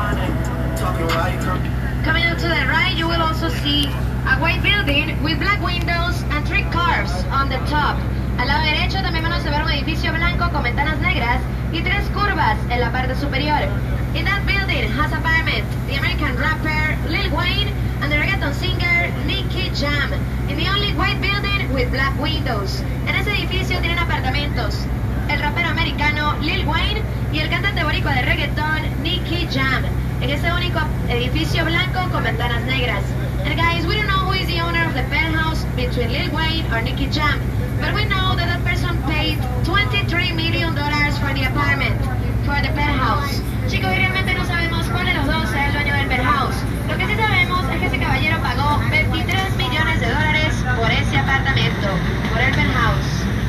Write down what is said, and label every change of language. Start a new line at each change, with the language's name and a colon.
English: Coming up to the right, you will also see a white building with black windows and stairs on the top.
Spanish: Al lado derecho también van a observar un edificio blanco con ventanas negras y tres curvas en la parte superior.
English: In that building has apartment the American rapper Lil Wayne and the reggaeton singer Nicky Jam. In the only white building with black windows.
Spanish: En ese edificio tienen apartamentos el rapero americano Lil Wayne y el cantante boricua de reggaeton Nicky Jam. En ese único edificio blanco con ventanas negras.
English: And guys, we don't know who is the owner of the penthouse between Lil Wayne or Nicky Jam, but we know that that person paid $23 million for the apartment, for the penthouse.
Spanish: Chicos, realmente no sabemos cuál de los dos es el dueño del penthouse. Lo que sí sabemos es que ese caballero pagó $23 millones por ese apartamento, por el penthouse.